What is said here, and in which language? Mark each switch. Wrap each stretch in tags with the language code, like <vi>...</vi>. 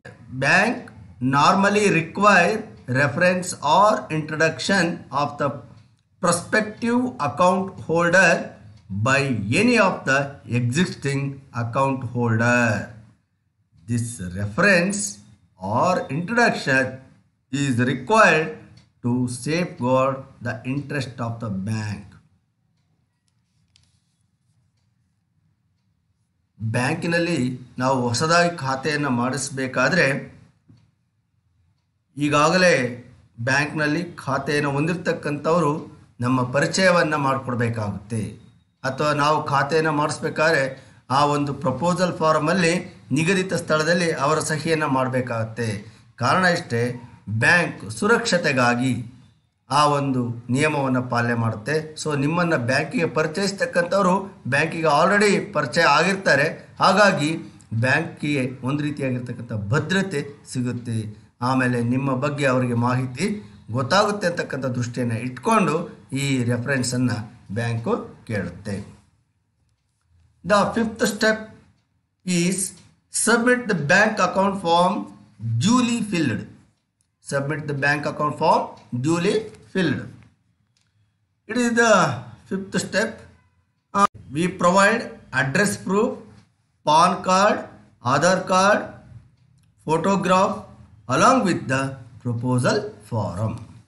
<en>Bank normally require reference or introduction of the prospective account holder by any of the existing account holder. This reference or introduction is required to safeguard the interest of the bank.</en> <kn>ಬ್ಯಾಂಕಿನಲ್ಲಿ ನಾವು ಹೊಸದಾಗಿ ಖಾತೆಯನ್ನು ಮಾಡಿಸಬೇಕಾದ್ರೆ ಈಗಾಗಲೇ ಬ್ಯಾಂಕ್ನಲ್ಲಿ ಖಾತೆಯನ್ನು ಹೊಂದಿರತಕ್ಕಂಥವರು ನಮ್ಮ ಪರಿಚಯವನ್ನು ಮಾಡಿಕೊಡ್ಬೇಕಾಗುತ್ತೆ ಅಥವಾ ನಾವು ಖಾತೆಯನ್ನು ಮಾಡಿಸ್ಬೇಕಾದ್ರೆ ಆ ಒಂದು ಪ್ರಪೋಸಲ್ ಫಾರ್ಮಲ್ಲಿ ನಿಗದಿತ ಸ್ಥಳದಲ್ಲಿ ಅವರ ಸಹಿಯನ್ನು ಮಾಡಬೇಕಾಗುತ್ತೆ ಕಾರಣ ಇಷ್ಟೇ ಬ್ಯಾಂಕ್ ಸುರಕ್ಷತೆಗಾಗಿ ಆ ಒಂದು ನಿಯಮವನ್ನು ಪಾಲನೆ ಮಾಡುತ್ತೆ ಸೊ ನಿಮ್ಮನ್ನು ಬ್ಯಾಂಕಿಗೆ ಪರಿಚಯಿಸ್ತಕ್ಕಂಥವರು ಬ್ಯಾಂಕಿಗೆ ಆಲ್ರೆಡಿ ಪರಿಚಯ ಆಗಿರ್ತಾರೆ ಹಾಗಾಗಿ ಬ್ಯಾಂಕಿಗೆ ಒಂದು ರೀತಿಯಾಗಿರ್ತಕ್ಕಂಥ ಭದ್ರತೆ ಸಿಗುತ್ತೆ ಆಮೇಲೆ ನಿಮ್ಮ ಬಗ್ಗೆ ಅವರಿಗೆ ಮಾಹಿತಿ ಗೊತ್ತಾಗುತ್ತೆ ಅಂತಕ್ಕಂಥ ದೃಷ್ಟಿಯನ್ನು ಇಟ್ಕೊಂಡು ಈ ರೆಫರೆನ್ಸನ್ನು ಬ್ಯಾಂಕು ಕೇಳುತ್ತೆ</kn> <en>fifth step is submit the bank account form duly filled. Submit the bank account form duly filled. It is the fifth step. We provide address proof, PAN card, Aadhaar card, photograph along with the proposal form.</en>